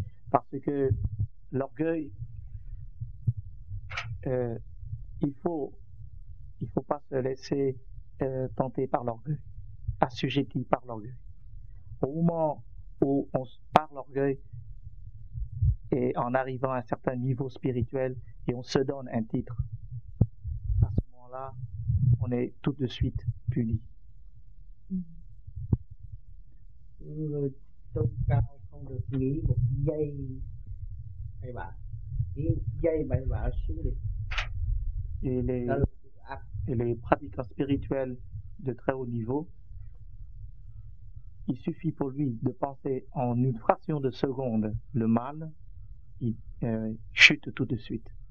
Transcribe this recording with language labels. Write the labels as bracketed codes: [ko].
[fr] Parce que l'orgueil, il faut pas se laisser tenter par l'orgueil, assujetti par l'orgueil. Au moment où on par l'orgueil et en arrivant à un certain niveau spirituel et on se donne un titre, à ce moment-là, on est tout de suite puni. [vi] Người tôn cao không được nghĩ một giây bậy bạ, nghĩ một giây bậy bạ xuống đi. [fr] Et les pratiquants spirituels de très haut niveau, il suffit pour lui de penser en une fraction de seconde le mal, chute tout de suite.